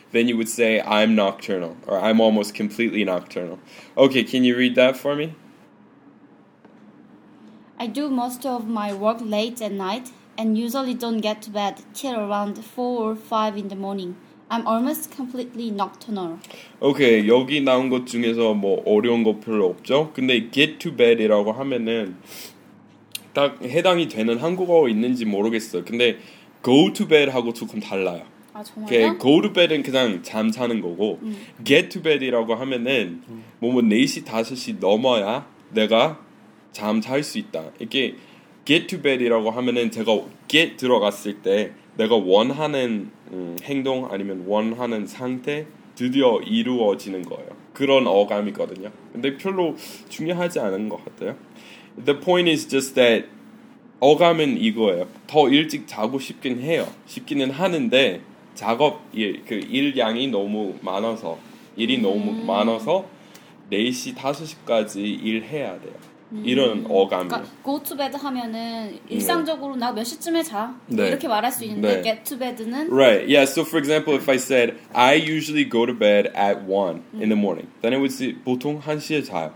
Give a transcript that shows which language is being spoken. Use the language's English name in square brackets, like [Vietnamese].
[English] Then you would say, I'm nocturnal, or I'm almost completely nocturnal. Okay, can you read that for me? I do most of my work late at night and usually don't get to bed till around 4 or 5 in the morning. I'm almost completely nocturnal. [Korean] Okay, 여기 나온 것 중에서 뭐 어려운 거 별로 없죠? 근데 get to bed이라고 하면은 딱 해당이 되는 한국어 있는지 모르겠어요. 근데 go to bed하고 조금 달라요. 아, 그 go to bed은 그냥 잠 자는 거고 get to bed이라고 하면은 뭐 4시, 5시 넘어야 내가 잠 잘 수 있다. 이게 get to bed이라고 하면은 제가 get 들어갔을 때 내가 원하는 행동 아니면 원하는 상태 드디어 이루어지는 거예요. 그런 어감이거든요. 근데 별로 중요하지 않은 것 같아요. [English] The point is just that [Korean] 어감은 이거예요. 더 일찍 자고 싶긴 해요. 싶기는 하는데 작업 일, 그 일량이 너무 많아서 일이 너무 많아서 4시, 5시까지 일해야 돼요. 이런 어감이에요. 그러니까 go to bed 하면은 일상적으로 나 몇 시쯤에 자? 네. 이렇게 말할 수 있는데 네. get to bed는? [English] Right. Yeah. So for example, if I said I usually go to bed at 1 in the morning, then it would say [Korean] 보통 1시에 자요.